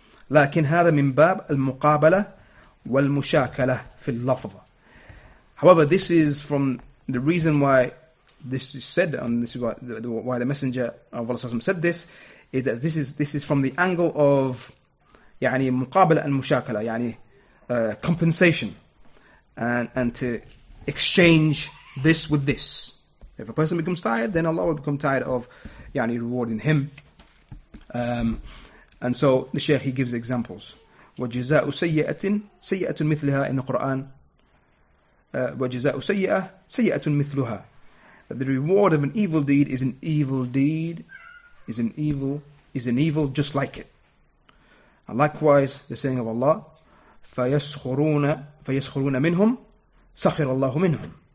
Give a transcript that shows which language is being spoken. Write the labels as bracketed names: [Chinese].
[Arabic] لكن هذا من باب المقابلة والمشاكلة في اللفظ. [English] However, this is from the reason why this is said, and this is why the Messenger of Allah said this, is that this is from the angle of [Arabic] يعني مقابلة المشاكلة, [English] يعني compensation, and to exchange this with this. If a person becomes tired, then Allah will become tired of يعني rewarding him. And so the Shaykh, he gives examples. [Arabic] وجزاء سيئة سيئة مثلها [English] in the Quran. [Arabic] وجزاء سيئة سيئة مثلها. [English] That the reward of an evil deed is an evil deed, is an evil just like it. And likewise, the saying of Allah, [Arabic] فيسخرون منهم سخر الله منهم.